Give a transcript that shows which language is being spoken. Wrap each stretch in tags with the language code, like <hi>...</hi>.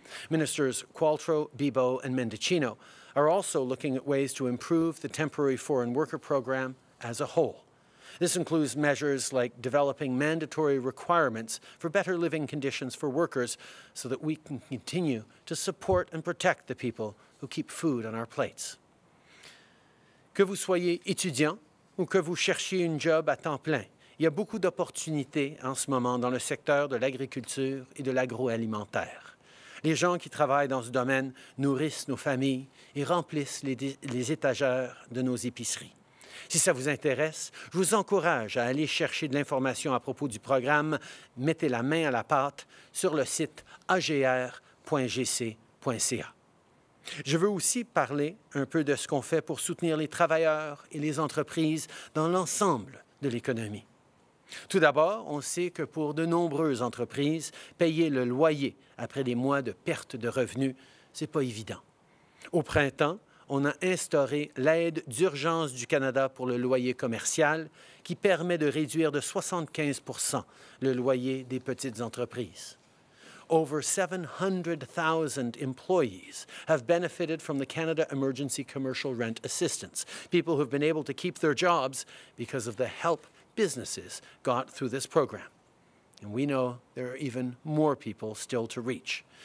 <en>Ministers Qualtrough, Bibeau and Mendicino are also looking at ways to improve the temporary foreign worker program as a whole. This includes measures like developing mandatory requirements for better living conditions for workers so that we can continue to support and protect the people who keep food on our plates.</en> <fr>Que vous soyez étudiant ou que vous cherchiez une job à temps plein, il y a beaucoup d'opportunités en ce moment dans le secteur de l'agriculture et de l'agroalimentaire. Les gens qui travaillent dans ce domaine nourrissent nos familles et remplissent les étagères de nos épiceries. Si ça vous intéresse, je vous encourage à aller chercher de l'information à propos du programme « Mettez la main à la pâte » sur le site agr.gc.ca. Je veux aussi parler un peu de ce qu'on fait pour soutenir les travailleurs et les entreprises dans l'ensemble de l'économie. Tout d'abord, on sait que pour de nombreuses entreprises, payer le loyer après des mois de perte de revenus, c'est pas évident. Au printemps, on a instauré l'aide d'urgence du Canada pour le loyer commercial qui permet de réduire de 75 % le loyer des petites entreprises.</fr> <en>Over 700,000 employees have benefited from the Canada Emergency Commercial Rent Assistance, people who have been able to keep their jobs because of the help businesses got through this program. And we know there are even more people still to reach.</en>